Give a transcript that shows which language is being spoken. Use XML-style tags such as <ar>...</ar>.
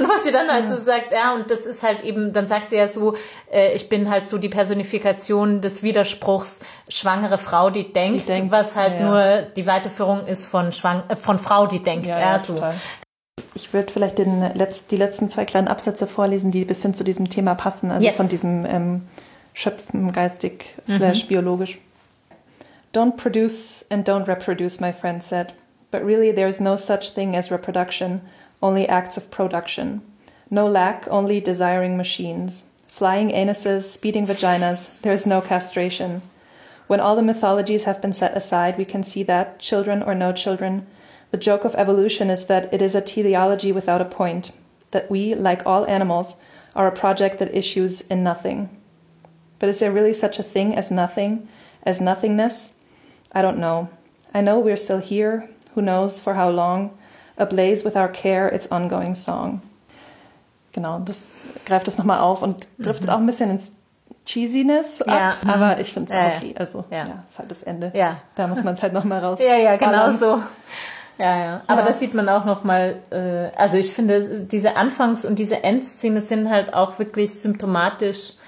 <de>Und was sie dann halt so sagt, ja, und das ist halt eben, dann sagt sie ja so, ich bin halt so die Personifikation des Widerspruchs, schwangere Frau, die denkt, was halt nur die Weiterführung ist von Frau, die denkt. Ja, so. Ich würde vielleicht die letzten zwei kleinen Absätze vorlesen, die ein bisschen zu diesem Thema passen, also von diesem Schöpfen geistig / biologisch.</de> <en>Don't produce and don't reproduce, my friend said. But really, there is no such thing as reproduction, only acts of production. No lack, only desiring machines. Flying anuses, speeding vaginas, there is no castration. When all the mythologies have been set aside, we can see that, children or no children, the joke of evolution is that it is a teleology without a point, that we, like all animals, are a project that issues in nothing. But is there really such a thing as nothing, as nothingness? I don't know. I know we're still here, who knows for how long, ablaze with our care, its ongoing song.</en> <de>Genau, das greift das nochmal auf und driftet auch ein bisschen ins Cheesiness ab, aber ich finde es auch okay. Also, ist halt das Ende. Ja. Da muss man es halt nochmal raus. ja, genau so. Ja. Aber das sieht man auch nochmal, also ich finde, diese Anfangs- und diese Endszene sind halt auch wirklich symptomatisch.</de>